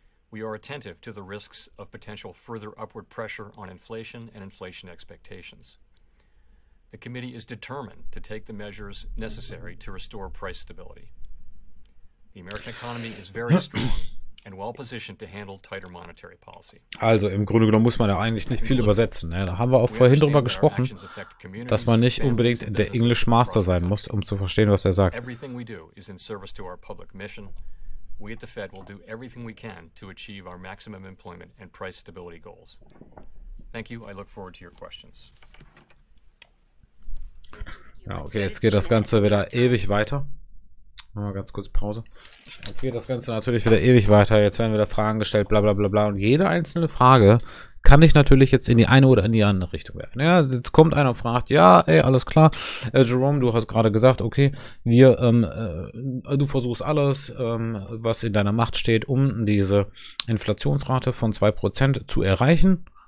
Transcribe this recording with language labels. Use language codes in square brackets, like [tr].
[en] We are attentive to the risks of potential further upward pressure on inflation and inflation expectations. The committee is determined to take the measures necessary to restore price stability. The American economy is very strong and well positioned to handle tighter monetary policy. [de] Also, im Grunde genommen muss man ja eigentlich nicht viel übersetzen. Ja, da haben wir auch vorhin drüber gesprochen, dass man nicht unbedingt der English Master sein muss, um zu verstehen, was er sagt. [en] Everything we do is in service to our public mission. We at the Fed will do everything we can to achieve our maximum employment and price stability goals. Thank you. I look forward to your questions. [de] Ja, okay, jetzt geht das Ganze wieder ewig weiter. Machen wir ganz kurz Pause. Jetzt geht das Ganze natürlich wieder ewig weiter. Jetzt werden wieder Fragen gestellt, bla bla bla bla. Und jede einzelne Frage kann ich natürlich jetzt in die eine oder in die andere Richtung werfen. Ja, jetzt kommt einer und fragt, ja, ey, alles klar. Jerome, du hast gerade gesagt, okay, du versuchst alles, was in deiner Macht steht, um diese Inflationsrate von 2% zu erreichen.